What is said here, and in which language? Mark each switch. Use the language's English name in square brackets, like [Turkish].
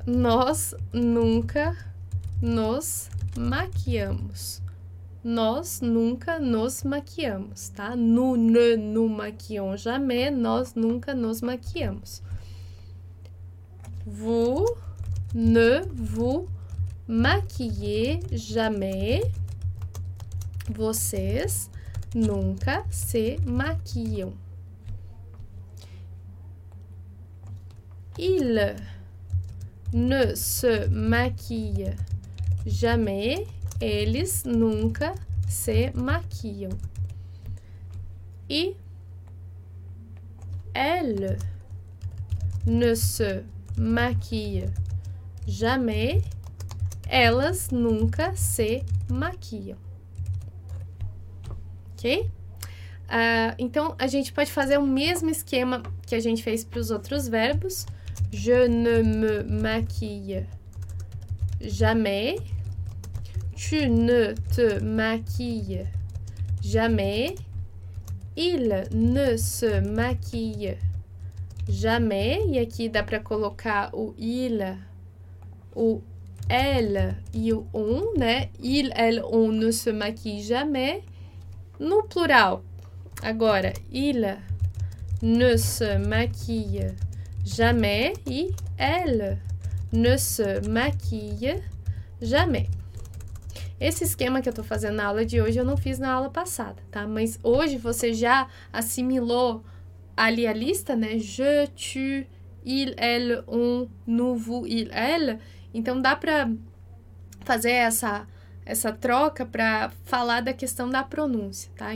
[Portuguese] Nós nunca nos maquiamos. Nós nunca nos maquiamos, tá? [French] Nous ne nous maquillons jamais. [Portuguese] Nós nunca nos maquiamos. [French] Vous ne vous maquillez jamais. [Portuguese] Vocês nunca se maquiam. [French] Il ne se maquille jamais. [Portuguese] Eles nunca se maquiam. E [French] elle ne se maquille jamais. [Portuguese] Elas nunca se maquiam. Ok? Então, a gente pode fazer o mesmo esquema que a gente fez para os outros verbos. [French] Je ne me maquille jamais. Tu ne te maquilles jamais. Il ne se maquille jamais. [Portuguese] E aqui dá para colocar o il, o elle e o on, né? [French] Il, elle, on ne se maquille jamais. [Portuguese] No plural. [French] Agora, il ne se maquille jamais. E elle ne se maquille jamais. [Portuguese] Esse esquema que eu tô fazendo na aula de hoje, eu não fiz na aula passada, tá? Mas hoje você já assimilou ali a lista, né? [French] Je, tu, il, elle, on, nous, vous, il, elle. [Portuguese] Então, dá pra fazer essa troca pra falar da questão da pronúncia, tá?